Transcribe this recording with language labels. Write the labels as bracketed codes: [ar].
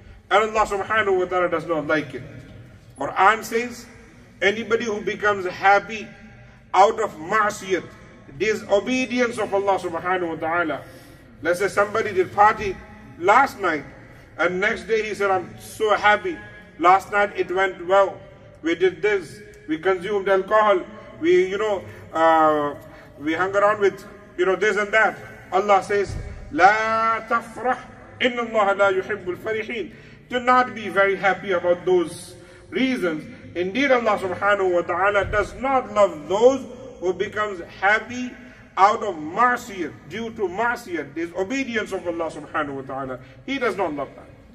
[en] And Allah subhanahu wa ta'ala does not like it. Quran says, anybody who becomes happy out of ma'asiyat, disobedience of Allah subhanahu wa ta'ala. Let's say somebody did party last night, and next day he said, I'm so happy. Last night it went well. We did this. We consumed alcohol. We hung around with, you know, this and that. Allah says, [ar] لا تفرح إن الله لا يحب الفرحين. [en] Do not be very happy about those reasons. Indeed, Allah subhanahu wa ta'ala does not love those who becomes happy out of ma'asiyat, due to ma'asiyat, disobedience of Allah subhanahu wa ta'ala. He does not love that.